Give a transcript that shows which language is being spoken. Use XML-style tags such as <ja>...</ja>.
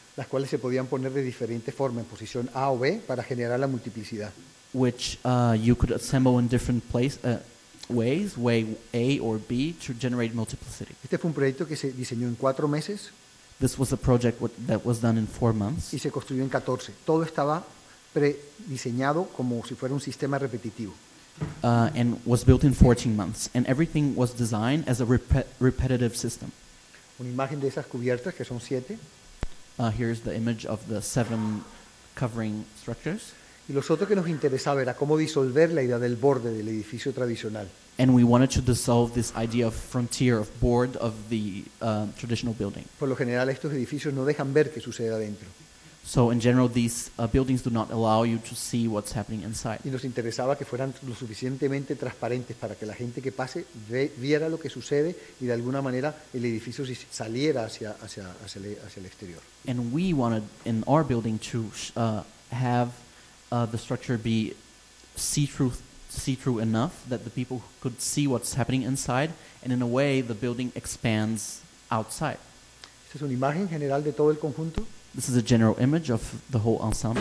<es>Las cuales se podían poner de diferente forma, en posición A o B, para generar la multiplicidad.</es> <en>Which you could assemble in different places. Ways, way A or B, to generate multiplicity.</en> <es>Este fue un proyecto que se diseñó en 4 meses.</es> <en>This was a project that was done in 4 months.</en> <es>Y se construyó en 14. Todo estaba prediseñado como si fuera un sistema repetitivo.</es> <en>And was built in 14 months. And everything was designed as a repetitive system.</en> <es>Una imagen de esas cubiertas, que son 7.</es> <en>Here's the image of the 7 covering structures.</en> <es>Y lo otro que nos interesaba era cómo disolver la idea del borde del edificio tradicional.</es> <en>And we wanted to dissolve this idea of frontier, of board, of the traditional building.</en> <es>Por lo general, estos edificios no dejan ver qué sucede adentro.</es> <en>So in general, these buildings do not allow you to see what's happening inside.</en> <es>Y nos interesaba que fueran lo suficientemente transparentes para que la gente que pase viera lo que sucede y de alguna manera el edificio saliera hacia el exterior.</es> <en>And we wanted in our building to have the structure be see-through enough that the people could see what's happening inside, and in a way the building expands outside.</en> <es>Esta es una imagen general de todo el conjunto.</es> <en>This is a general image of the whole ensemble.</en>